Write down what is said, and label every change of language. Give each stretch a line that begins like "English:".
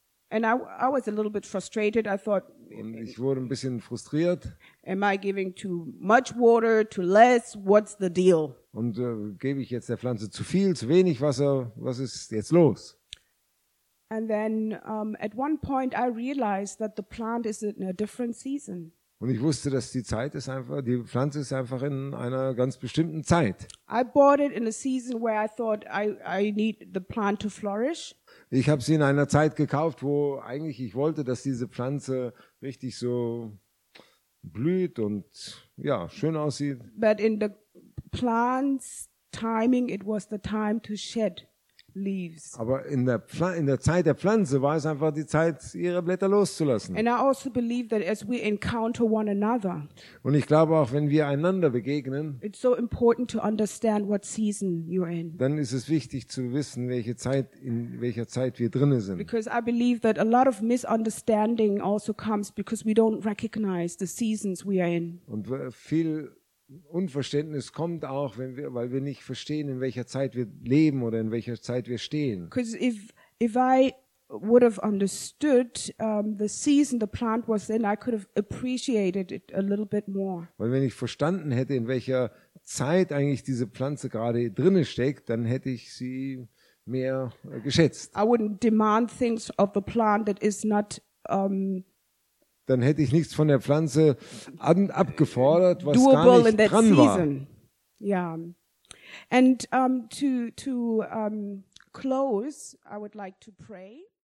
English: And I was a little bit frustrated. I thought,
German: und ich wurde ein bisschen frustriert.
English: Am I giving too much water, too less? What's the deal?
German: Und gebe ich jetzt der Pflanze zu viel, zu wenig Wasser? Was ist jetzt los?
English: And then at one point I realized that the plant is in a different season.
German: Und ich wusste, dass die Pflanze ist einfach in einer ganz bestimmten Zeit.
English: I bought it in a season where I thought I need the plant to flourish.
German: Ich habe sie in einer Zeit gekauft, wo eigentlich ich wollte, dass diese Pflanze richtig so blüht und ja, schön aussieht.
English: But in the plant's timing, it was the time to shed leaves.
German: Aber in der Zeit der Pflanze war es einfach die Zeit, ihre Blätter loszulassen.
English: And I also believe that as we encounter one another.
German: Und ich glaube auch, wenn wir einander begegnen,
English: it's so important to understand what season you're in.
German: Dann ist es wichtig zu wissen, in welcher Zeit wir drinne sind.
English: Because I believe that a lot of misunderstanding also comes because we don't recognize the seasons we are in.
German: Und viel Unverständnis kommt auch, weil wir nicht verstehen, in welcher Zeit wir leben oder in welcher Zeit wir stehen.
English: Because if I would have understood the season the plant was in, I could have appreciated it a little bit more.
German: Weil wenn ich verstanden hätte, in welcher Zeit eigentlich diese Pflanze gerade drinne steckt, dann hätte ich sie mehr geschätzt.
English: I wouldn't demand things of the plant that is not
German: dann hätte ich nichts von der Pflanze abgefordert, was gar nicht
English: in that
German: dran
English: season.
German: War.
English: Yeah. And to close, I would like to pray.